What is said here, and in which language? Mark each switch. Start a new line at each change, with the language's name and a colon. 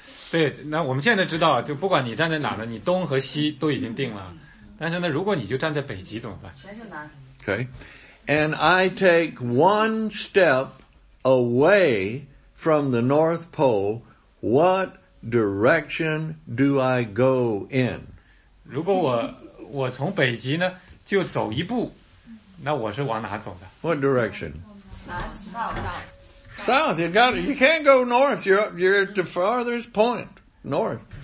Chinese: 对，那我们现在知道，就不管你站在哪了，你东和西都已经定了。但是呢，如果你就站在北极怎么办？全是南。Okay.
English: And I take one step away from the North Pole, what direction do I go in?
Chinese: 如果我从北极呢，就走一步，那我是往哪走的？
English: What direction? South. South, you can't go north, you're at the farthest point, north.